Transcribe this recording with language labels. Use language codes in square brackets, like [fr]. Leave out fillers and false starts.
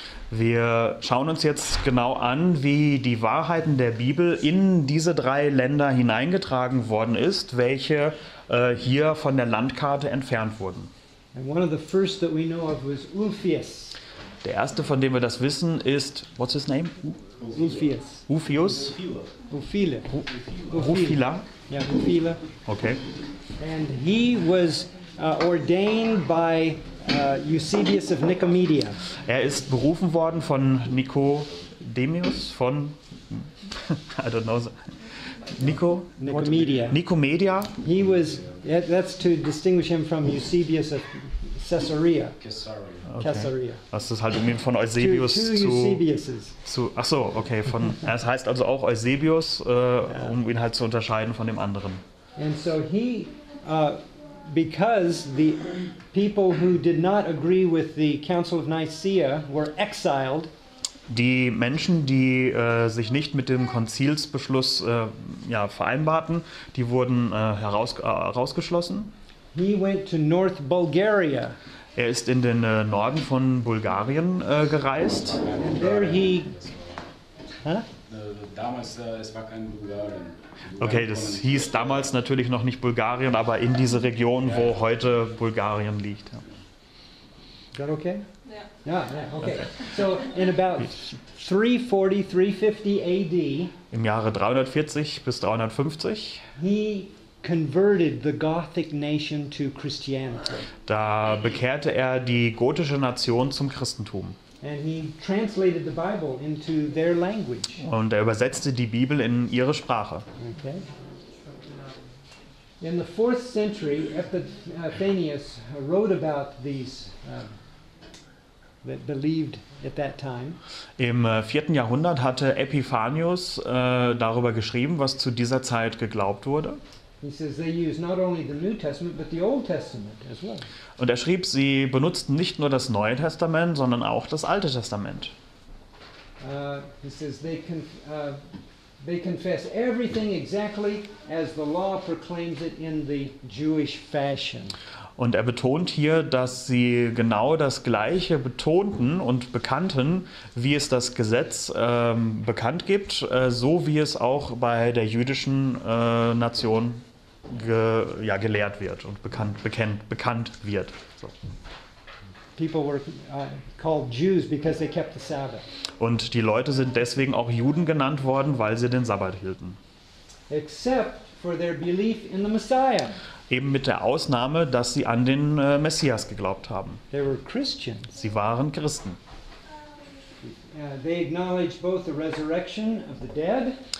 [de] Wir schauen uns jetzt genau an, wie die Wahrheiten der Bibel in diese 3 Länder hineingetragen worden ist, welche hier von der Landkarte entfernt wurden. [en] And one of the first that we know of was Ulfius. [de] Der erste, von dem wir das wissen, ist, [en] what's his name? [de] Ulfius. Ulfius? Ulfile. Ulfila? Ja, Ulfile. Okay. [en] And he was ordained by Eusebius of Nicomedia. [de] Er ist berufen worden von Nicodemus von, [en] I don't know, [de] Nicomedia. Nicomedia. [en] He was, that's to distinguish him from Eusebius of Caesarea. [de] Caesarea. Okay. Das ist halt irgendwie von Eusebius zu ach so, okay. Von, das heißt also auch Eusebius, um ihn halt zu unterscheiden von dem anderen. [en] And so he, because the people who did not agree with the Council of Nicaea were exiled. [de] Die Menschen, die sich nicht mit dem Konzilsbeschluss vereinbarten, die wurden herausgeschlossen. [en] He went to North Bulgaria. [de] Er ist in den Norden von Bulgarien gereist. [en] And there he, [de] damals, es war kein Bulgarien. Okay, das hieß damals natürlich noch nicht Bulgarien, aber in diese Region, wo heute Bulgarien liegt. Ja. [en] Is that okay? Yeah, okay. So in about 340, 350 AD, [de] im Jahre 340 bis 350, [en] he converted the Gothic nation to Christianity. [de] Da bekehrte er die gotische Nation zum Christentum. [en] And he translated the Bible into their language. [de] Und er übersetzte die Bibel in ihre Sprache. Okay. [en] In the 4th century, Epiphanius wrote about these that believed at that time. [de] Im 4. Jahrhundert hatte Epiphanius darüber geschrieben, was zu dieser Zeit geglaubt wurde. [en] He says they use not only the New Testament but the Old Testament as well. [de] Und er schrieb, sie benutzten nicht nur das Neue Testament, sondern auch das Alte Testament. [en] He says they confess everything exactly as the law proclaims it in the Jewish fashion. [de] Und er betont hier, dass sie genau das Gleiche betonten und bekannten, wie es das Gesetz bekannt gibt, so wie es auch bei der jüdischen Nation gelehrt wird und bekannt wird. [en] So. People were called Jews because they kept the Sabbath. [de] Und die Leute sind deswegen auch Juden genannt worden, weil sie den Sabbat hielten. [en] Except for their belief in the Messiah. [de] Eben mit der Ausnahme, dass sie an den Messias geglaubt haben. [en] They were Christians. [de] Sie waren Christen. [en] They acknowledged both the resurrection of the dead.